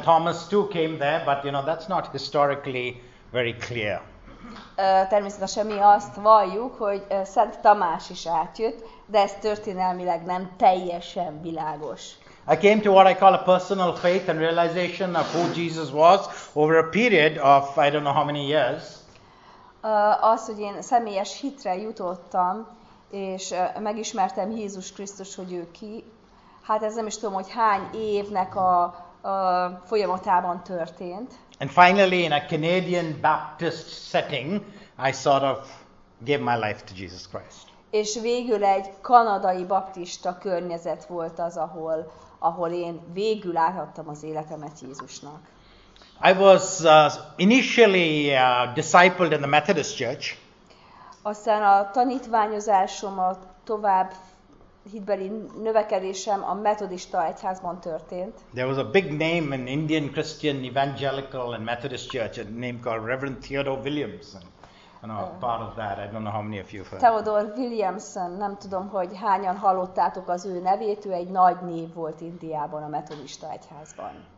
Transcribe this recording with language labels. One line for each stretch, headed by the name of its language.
English: Thomas too came there, but you know, that's not historically very clear.
Hungarian: Természetesen mi azt valljuk, hogy Szent Tamás is átjött, de ez történelmileg nem teljesen világos.
English: I came to what I call a personal faith and realization of who Jesus was over a period of I don't know how many years.
Hungarian: Az, hogy én személyes hitre jutottam, és megismertem Jézus Krisztus, hogy ő ki. Hát ez nem is tudom, hogy hány évnek a folyamatában történt.
English: And finally, in a Canadian Baptist setting, I sort of gave my life to Jesus Christ.
Hungarian: És végül egy kanadai baptista környezet volt az, ahol én végül átadtam az életemet Jézusnak.
English: I was initially discipled in the Methodist Church.
Hungarian: Aztán a tanítványozásom, a tovább hitbeli növekedésem a metodista egyházban történt.
English: There was a big name in Indian Christian Evangelical and Methodist Church, a name called Reverend Theodore Williamson. No, part of that. I don't know how many of you have heard.
Hungarian: Theodore Williamson, nem tudom, hogy hányan hallottátok az ő nevét, ő egy nagy név volt Indiában a metodista egyházban.